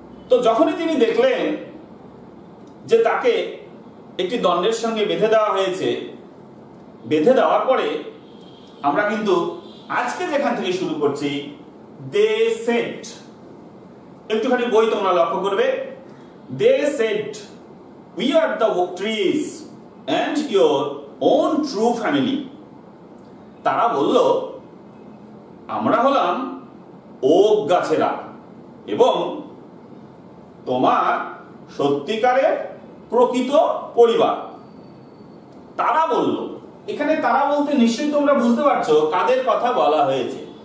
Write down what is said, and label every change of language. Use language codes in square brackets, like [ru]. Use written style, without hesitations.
[bn] তো যখনই তিনি দেখলেন যে তাকে একটি দণ্ডের সঙ্গে বেঁধে দেওয়া হয়েছে, বেঁধে দেওয়ার পরে আমরা কিন্তু আজকে যেখান থেকে শুরু করছি, [en] they set, [bn] একটুখানি বই তোমরা লক্ষ্য করবে, দে set [en] We are the oak trees and your own true family. [bn] তারা বলল আমরা হলাম ওক গাছেরা এবং তোমার সত্যিকারের প্রকৃত পরিবার। তারা বলল এখানে তারা বলতে নিশ্চয়ই তোমরা বুঝতে পারছো কাদের কথা বলা হয়েছে।